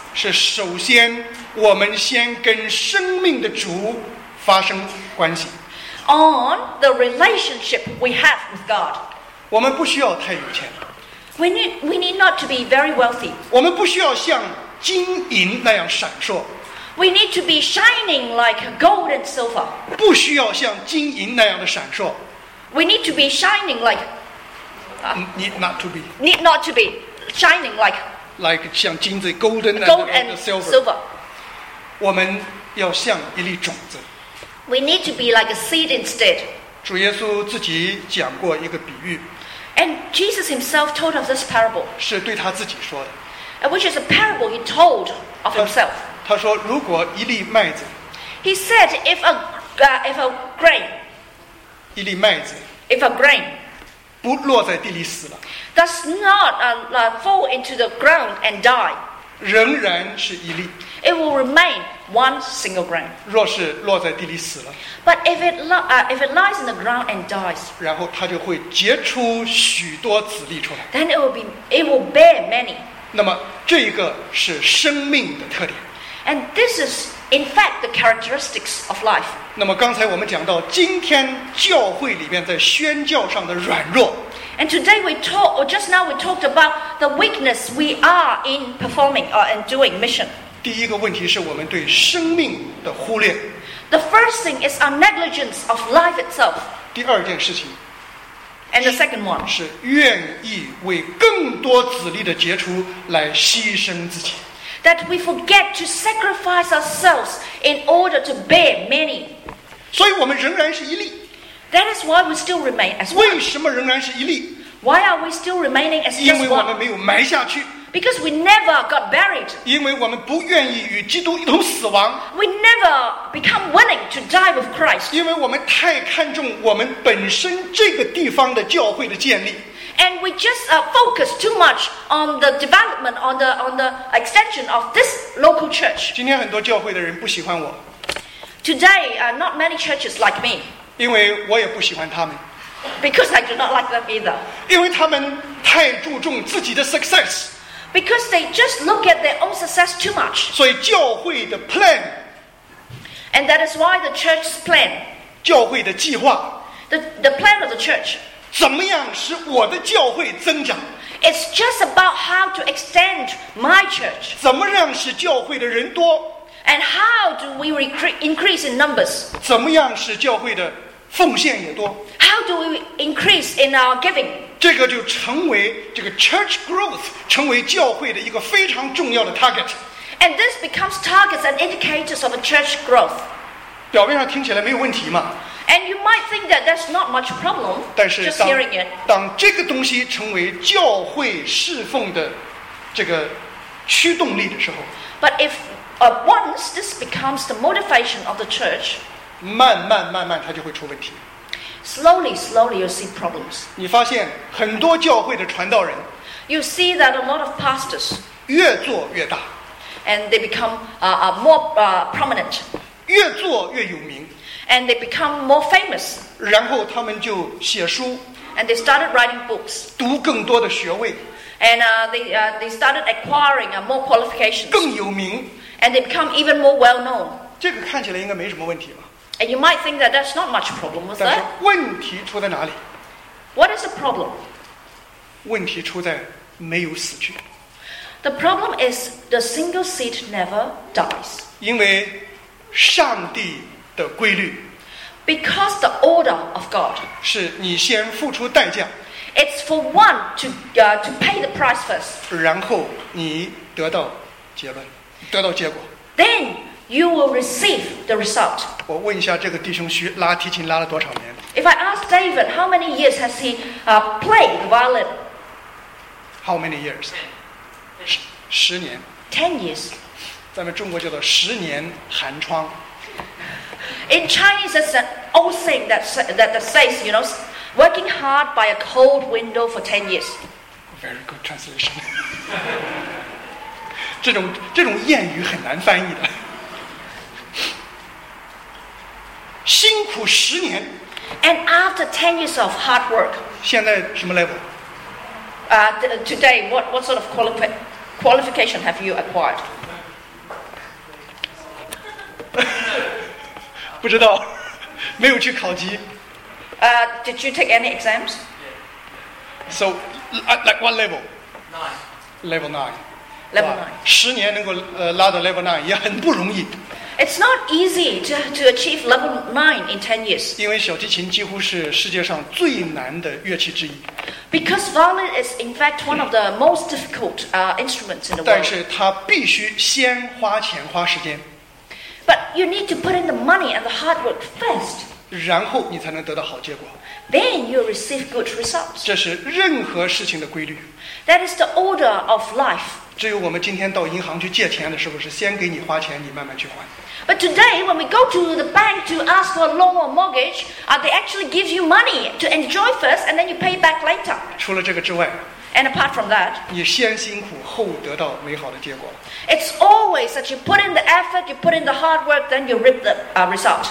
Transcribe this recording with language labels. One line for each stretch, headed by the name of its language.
Chinese: 是首先我们先跟生命的主发生关系
English: On the relationship we have with God
Chinese: 我们不需要太有钱
English: We need not to be very wealthy
Chinese: 我们不需要像金银那样闪烁
English: We need to be shining like gold and silver.
Chinese: 不需要像金银那样的闪烁。
English: We need to be shining like. Need not to be. Need not to be shining like. Like
Chinese: 像金子
English: golden and gold and silver. Silver.
Chinese: 我们要像一粒种子。
English: We need to be like a seed instead.
Chinese: 主耶稣自己讲过一个比喻。
English: And Jesus himself told of this parable.
Chinese: 是对他自己说的。
English: Which is a parable he told of himself.
Chinese: 他说如果一粒麦子
English: He said if a grain
Chinese: 一粒麦子
English: If a grain
Chinese: 不落在地里死了
English: Does not fall into the ground and die
Chinese: 仍然是一粒
English: It will remain one single grain
Chinese: 若是落在地里死了
English: But if it lies in the ground and dies
Chinese: 然后它就会结出许多子粒出来
English: Then it will bear many
Chinese: 那么这个是生命的特点
English: And this is, in fact, the characteristics of life.
Chinese: 那么刚才我们讲到，今天教会里面在宣教上的软弱。
English: And today we talked, or just now we talked about the weakness we are in performing or in doing mission.
Chinese: 第一个问题是我们对生命的忽略。
English: The first thing is our negligence of life itself.
Chinese: 第二件事情，
English: And the second one
Chinese: 是愿意为更多子粒的结出来牺牲自己。
English: That we forget to sacrifice ourselves in order to bear many.
Chinese: 所以我们仍然是一粒。
English: That is why we still remain as one.
Chinese: 为什么仍然是一粒？
English: Why are we still remaining as just one?
Chinese: 因为我们没有埋下去。
English: Because we never got buried.
Chinese: 因为我们不愿意与基督一同死亡。
English: We never become willing to die with Christ.
Chinese: 因为我们太看重我们本身这个地方的教会的建立。
English: And we just focus too much on the development, on the extension of this local church.
Chinese: 今天很多教会的人不喜欢我。
English: Today, not many churches like me.
Chinese: 因为我也不喜欢他们。
English: Because I do not like them either.
Chinese: 因为他们太注重自己的 success.
English: Because they just look at their own success too much.
Chinese: 所以教会的 plan.
English: And that is why the church's plan.
Chinese: 教会的计划。
English: The plan of the church.
Chinese: 怎么样使我的教会增长？
English: It's just about how to extend my church.
Chinese: 怎么样使教会的人多？
English: And how do we increase in numbers?
Chinese: 怎么样使教会的奉献也多？
English: How do we increase in our giving?
Chinese: 这个就成为这个
English: church growth
Chinese: 成为教会的一个非常重要的 target
English: and this becomes targets and indicators of a church growth
Chinese: 表面上听起来没有问题嘛
English: and you might think that that's not much problem
Chinese: 但是
English: just hearing it
Chinese: 当这个东西成为教会侍奉的这个驱动力的时候
English: but if at once this becomes the motivation of the church
Chinese: 慢慢慢慢它就会出问题
English: Slowly, slowly, you see problems.
Chinese: 你发现很多教会的传道人
English: You see that a lot of pastors
Chinese: 越做越大
English: And they become more prominent
Chinese: 越做越有名
English: And they become more famous
Chinese: 然后他们就写书
English: And they started writing books
Chinese: 读更多的学位
English: And they started acquiring more qualifications
Chinese: 更有名
English: And they become even more well-known
Chinese: 这个看起来应该没什么问题吧
English: And you might think that that's not much problem, was that?
Chinese: 但是问题出在哪里？
English: What is the problem?
Chinese: 问题出在没有死去。
English: The problem is the single seed never dies.
Chinese: 因为上帝的规律。
English: Because the order of God.
Chinese: 是你先付出代价。
English: It's for one to pay the price first.
Chinese: 然后你得到结论，得到结果。
English: Then,You will receive the result.
Chinese: 我问一下这个弟兄徐拉提琴拉了多少年
English: If I ask David, how many years has he played violin? How many years?
Chinese: 十年
English: 10 years.
Chinese: 咱们中国叫做十年寒窗
English: In Chinese, there's an old saying that says, you know, working hard by a cold window for 10 years. Very good translation.
Chinese: 这种谚语很难翻译的。辛苦十年
English: and after 10 years of hard work
Chinese: 现在什么 level?
English: Today what sort of qualification have you acquired?
Chinese: 不知道没有去考级
English: Did you take any exams? So like what level? 9 Level 9 Level 9
Chinese: 十年能够拉到 level 9也很不容易
English: It's not easy to achieve level 9 in 10 years.
Chinese: 因为小提琴几乎是世界上最难的乐器之一。
English: Because violin is in fact one of the most difficult instruments in the world.
Chinese: 但是它必须先花钱花时间。
English: But you need to put in the money and the hard work first.
Chinese: 然后你才能得到好结果。
English: Then you receive good results.
Chinese: 这是任何事情的规律。
English: That is the order of life.
Chinese: 只有我们今天到银行去借钱的时候是先给你花钱你慢慢去还
English: But today when we go to the bank to ask for a loan or mortgage they actually give you money to enjoy first and then you pay back later
Chinese: 除了这个之外
English: And apart from that
Chinese: 你先辛苦后得到美好的结果
English: It's always that you put in the effort you put in the hard work then you reap the result